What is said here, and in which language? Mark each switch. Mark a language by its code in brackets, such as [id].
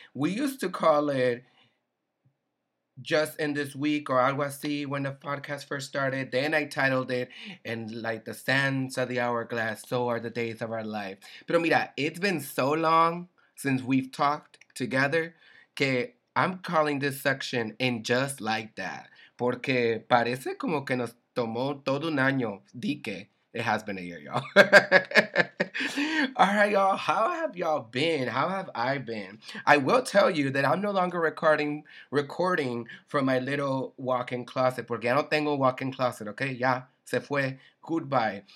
[en] We used to call it Just In This Week or [es] algo así [en] when the podcast first started. Then I titled it and like the sands of the hourglass, so are the days of our life. [es] Pero mira, [en] it's been so long since we've talked together [es] que [en] I'm calling this section And Just Like That. [es] Porque parece como que nos tomó todo un año. Di que [en] it has been a year, y'all. All right, y'all. How have y'all been? How have I been? I will tell you that I'm no longer recording from my little walk-in closet. [es] Porque ya no tengo walk-in closet, okay? Ya, se fue. Goodbye.